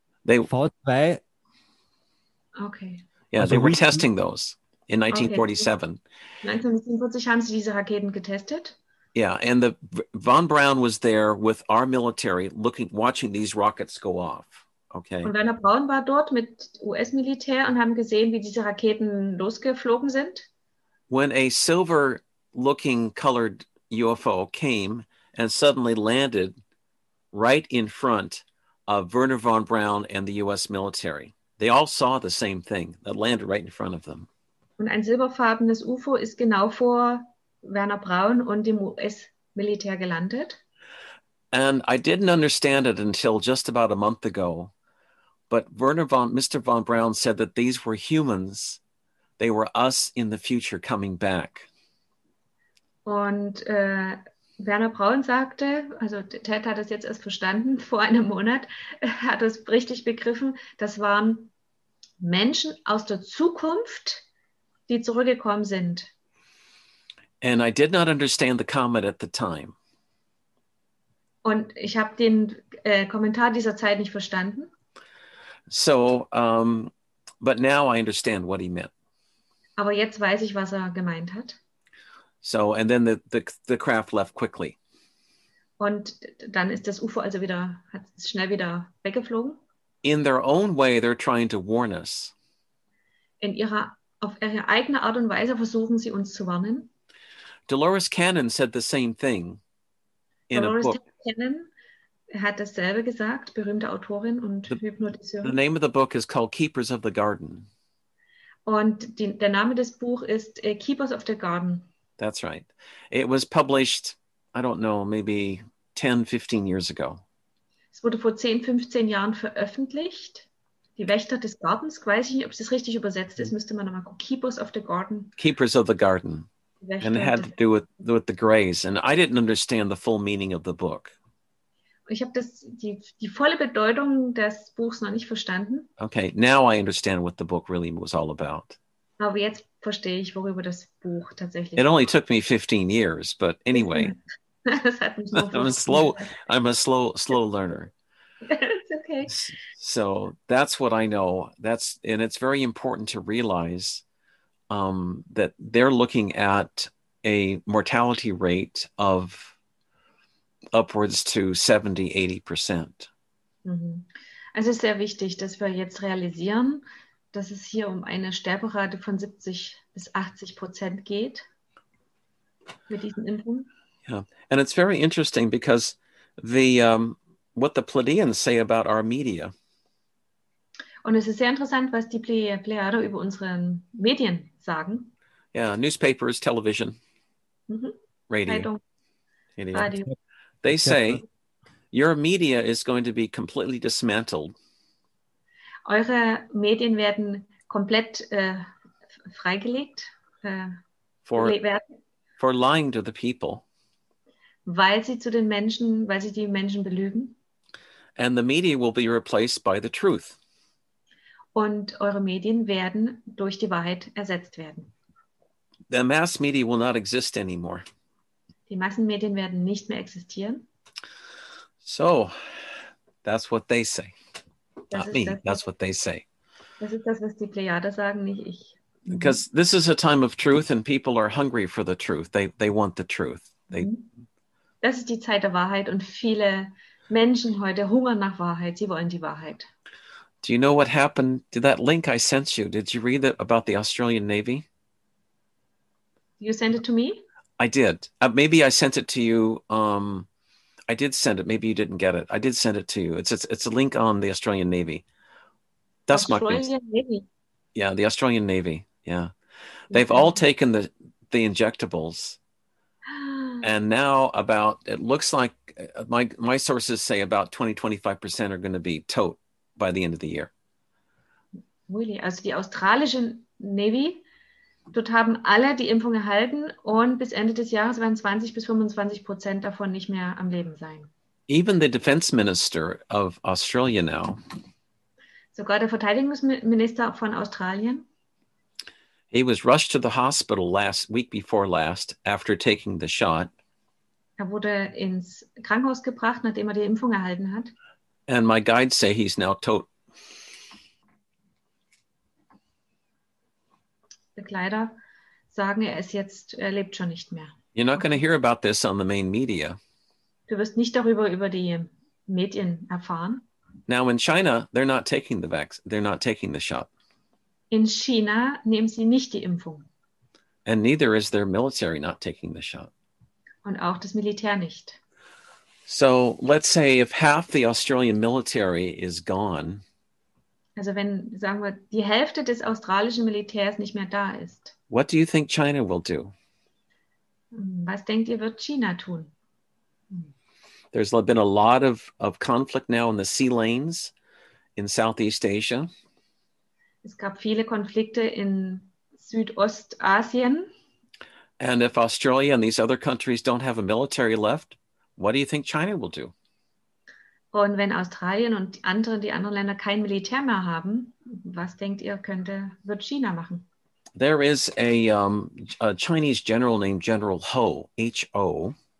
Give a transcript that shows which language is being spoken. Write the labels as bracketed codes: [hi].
[en] They V2. Okay. Yeah, they were testing those in 1947. [de] Okay. 1947 haben sie diese Raketen getestet. [en] Yeah, and the von Braun was there with our military looking, watching these rockets go off. Okay. [de] Und Werner Braun war dort mit US-Militär und haben gesehen, wie diese Raketen losgeflogen sind. [en] When a silver-looking colored UFO came and suddenly landed right in front of Werner von Braun and the US military. They all saw the same thing that landed right in front of them. [de] Und ein silberfarbenes UFO ist genau vor Werner Braun und dem US-Militär gelandet. [en] And I didn't understand it until just about a month ago. But Mr. von Braun said that these were humans. They were us in the future coming back. [de] Und Werner Braun sagte, also Ted hat es jetzt erst verstanden, vor einem Monat hat es richtig begriffen, das waren Menschen aus der Zukunft, die zurückgekommen sind. [en] And I did not understand the comment at the time. [de] Und ich habe den Kommentar dieser Zeit nicht verstanden. [en] So, but now I understand what he meant. [de] Aber jetzt weiß ich, was er gemeint hat. [en] So, and then the craft left quickly. [de] Und dann ist das UFO also wieder, hat es schnell wieder weggeflogen. [en] In their own way, they're trying to warn us. [de] Auf ihre eigene Art und Weise versuchen sie uns zu warnen. [en] Dolores Cannon said the same thing in Dolores a book. [de] Dolores Cannon hat dasselbe gesagt, berühmte Autorin und Hypnotiseurin. [en] The name of the book is called Keepers of the Garden. [de] Und der Name des Buch ist Keepers of the Garden. [en] That's right. It was published, I don't know, maybe 10, 15 years ago. [de] Es wurde vor 10, 15 Jahren veröffentlicht. Die Wächter des Gartens, weiß ich nicht, ob es das richtig übersetzt ist, müsste man nochmal gucken. [en] Keepers of the Garden. Keepers of the Garden. And it had to do with the Greys. And I didn't understand the full meaning of the book. [de] Ich habe die volle Bedeutung des Buchs noch nicht verstanden. [en] Okay, now I understand what the book really was all about. [de] Aber jetzt verstehe ich, worüber das Buch tatsächlich [en] It only took me 15 years, but anyway. [de] Das hat mich noch [en] I'm [de] verstanden. [en] I'm a slow learner. It's okay. So that's what I know. And it's very important to realize that they're looking at a mortality rate of upwards to 70-80%. [de] Also es ist sehr wichtig, dass wir jetzt realisieren, dass es hier um eine Sterberate von 70-80% geht mit diesen Impfungen. [en] Yeah. And it's very interesting because what the Pleiadians say about our media. [de] Und es ist sehr interessant, was die Pleiader über unsere Medien sagen. [en] Yeah, newspapers, television, radio. Radio. They say your media is going to be completely dismantled. [de] Eure Medien werden komplett freigelegt. [en] For lying to the people. [de] Weil sie die Menschen belügen. [en] And the media will be replaced by the truth. [de] Und eure Medien werden durch die Wahrheit ersetzt werden. [en] The mass media will not exist anymore. [de] Die Massenmedien werden nicht mehr existieren. [en] So, that's what they say. Not me, that's what they say. [de] Das ist das, was die Plejade sagen, nicht ich. [en] Because this is a time of truth and people are hungry for the truth. They want the truth. [de] Das ist die Zeit der Wahrheit und viele Menschen heute hungern nach Wahrheit. Sie wollen die Wahrheit. [en] Do you know what happened? Did that link I sent you, did you read it about the Australian Navy? You sent it to me? I did. Maybe I sent it to you. I did send it. Maybe you didn't get it. I did send it to you. It's a link on the Australian Navy. [de] Das [en] Australian Navy. Yeah, the Australian Navy. Yeah. They've all taken the injectables. And now about, it looks like my sources say about 20-25% are going to be [de] tote [en] by the end of the year. Really? [de] Also die australischen Navy, dort haben alle die Impfung erhalten und bis Ende des Jahres werden 20-25% davon nicht mehr am Leben sein. [en] Even the defense minister of Australia now. [de] Sogar der Verteidigungsminister von Australien. [en] He was rushed to the hospital last week before last after taking the shot. [de] Er wurde ins Krankenhaus gebracht, nachdem er die Impfung erhalten hat. [en] And my guides say he's now [de] tot. Begleiter sagen, er ist jetzt, er lebt schon nicht mehr. [en] You're not going to hear about this on the main media. [de] Du wirst nicht darüber über die Medien erfahren. [en] Now in China, they're not taking the vaccine, they're not taking the shot. [de] In China nehmen sie nicht die Impfung. [en] And neither is their military not taking the shot. [de] Und auch das Militär nicht. [en] So let's say if half the Australian military is gone. [de] Also wenn, sagen wir, die Hälfte des australischen Militärs nicht mehr da ist. [en] What do you think China will do? [de] Was denkt ihr, wird China tun? [en] There's been a lot of conflict now in the sea lanes in Southeast Asia. [de] Es gab viele Konflikte in Südostasien. [en] And if Australia and these other countries don't have a military left, what do you think China will do? [de] Und wenn Australien und die anderen Länder kein Militär mehr haben, was denkt ihr, wird China machen? [en] There is a Chinese general named General Ho, H-O.